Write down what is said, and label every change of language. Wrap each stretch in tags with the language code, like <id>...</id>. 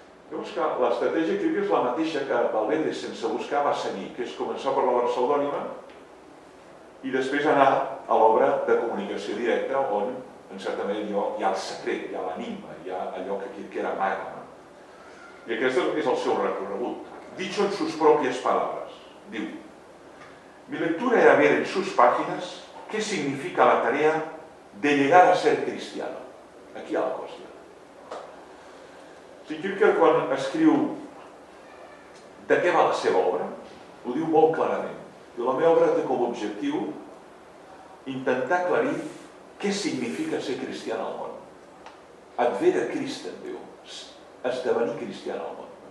<ca>Llavors, l'estratègia crítica és la mateixa que Valverde, sense buscar, va seguir, que és començar per l'obra pseudònima i després anar a l'obra de comunicació directa, on, en certa manera, jo, hi ha el secret, hi ha l'ànima, hi ha allò que queda magma. I aquest és el seu recorregut.</ca> <es>Dicho en sus propias palabras, diu: mi lectura era ver en sus páginas qué significa la tarea de llegar a ser cristiano.</es> <ca>Aquí hi ha la cosa. Si Kierkegaard, quan escriu de què va la seva obra, ho diu molt clarament. I la meva obra té com a objectiu intentar aclarir què significa ser cristià en el món. Advere Christen, diu, esdevenir cristià en el món.</ca>